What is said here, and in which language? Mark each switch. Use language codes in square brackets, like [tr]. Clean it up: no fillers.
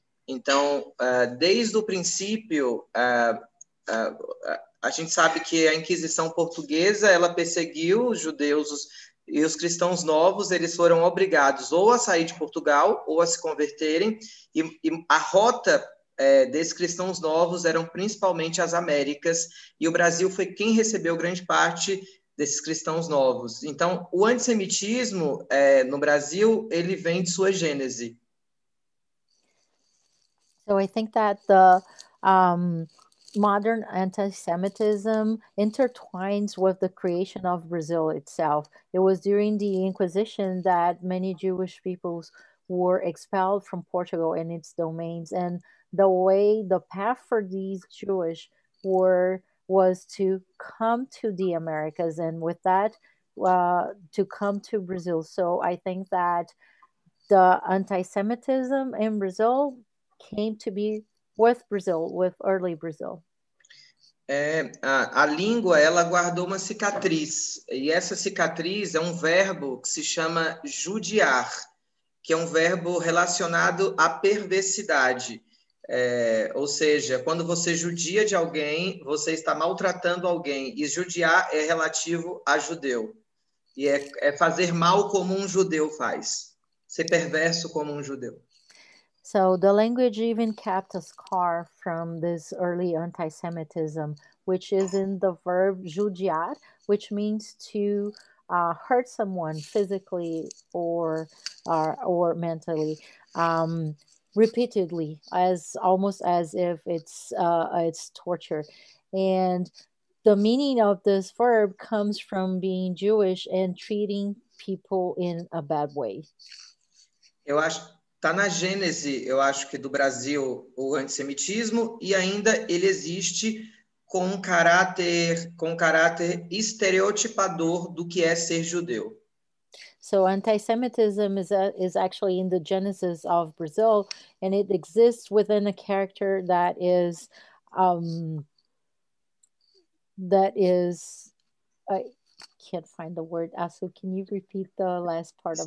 [pt] Então, desde o princípio, a gente sabe que a Inquisição Portuguesa, ela perseguiu os judeus e os cristãos novos, eles foram obrigados ou a sair de Portugal ou a se converterem, e a rota desses cristãos novos eram principalmente as Américas, e o Brasil foi quem recebeu grande parte desses cristãos novos. Então, o antissemitismo no Brasil, ele vem de sua gênese. [en] So I think that the modern antisemitism intertwines with the creation of Brazil itself. It was during the Inquisition that many Jewish peoples were expelled from Portugal and its domains, and the way, the path for these Jewish was to come to the Americas, and with that, to come to Brazil. So I think that the antisemitism in Brazil came to be with Brazil, with early Brazil. [pt] A língua, ela guardou uma cicatriz, e essa cicatriz é um verbo que se chama judiar, que é um verbo relacionado à perversidade. Ou seja, quando você judia de alguém, você está maltratando alguém. E judiar é relativo a judeu. E é fazer mal como um judeu faz. Ser perverso como um judeu. [en] So the language even kept a scar from this early anti-Semitism, which is in the verb judiar, which means to hurt someone physically or mentally. Repeatedly, as almost as if it's torture. And the meaning of this verb comes from being Jewish and treating people in a bad way. [pt] Eu acho tá na gênese, eu acho que do Brasil o antissemitismo e ainda ele existe com caráter estereotipador do que é ser judeu. [en] So anti-Semitism is actually in the genesis of Brazil, and it exists within a character that is, I can't find the word. Asu, can you repeat the last part of